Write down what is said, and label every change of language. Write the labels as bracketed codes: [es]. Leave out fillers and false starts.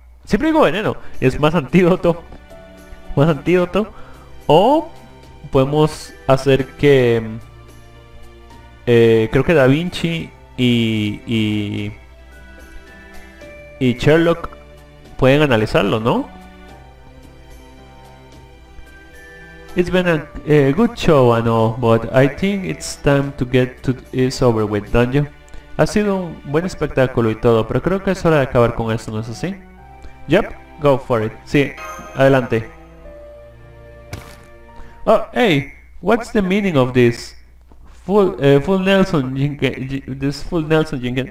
[es] Siempre digo veneno, es más antídoto. Más antídoto. O podemos hacer que creo que Da Vinci y Sherlock pueden analizarlo, ¿no? [en] It's been a good show, I know, but I think it's time to get to this over with, don't you? [es] Ha sido un buen espectáculo y todo, pero creo que es hora de acabar con esto, ¿no es así? [en] Yep, go for it. [es] Sí, adelante. [en] Oh, hey, what's the meaning of this? Full Nelson Jenke, this Full Nelson Jenke.